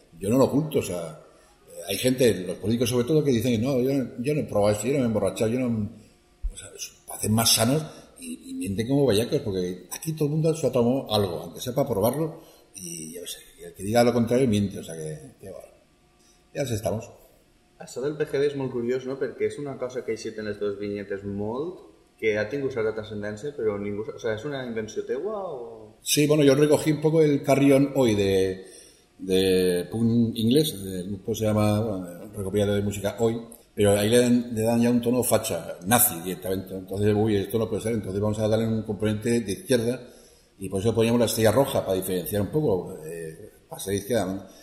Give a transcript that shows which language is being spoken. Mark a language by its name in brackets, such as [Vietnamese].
[Spanish] Yo no lo oculto, o sea, hay gente, los políticos sobre todo, que dicen, no, yo no he probado esto, yo no me he emborrachado, yo no, o sea, hacen más sanos y mienten como bellacos, porque aquí todo el mundo se ha tomado algo, aunque sea para probarlo, y ya sé, y el que diga lo contrario miente, o sea, que bueno, ya así estamos. [Catalan] Això del PGB és molt curiós, no?, perquè és una cosa que així tenen les dues vinyetes molt, que ha tingut certa transcendència, però ningú... O sea, ¿és una invenció teua o...? [Spanish] Sí, bueno, yo recogí un poco el Carrión Hoy de punk inglés, el grupo se llama, bueno, recopilado de música Hoy, pero ahí le dan ya un tono facha, nazi directamente, entonces, uy, esto no puede ser, entonces vamos a darle un componente de izquierda, y por eso poníamos la estrella roja, para diferenciar un poco, para ser izquierda, ¿no?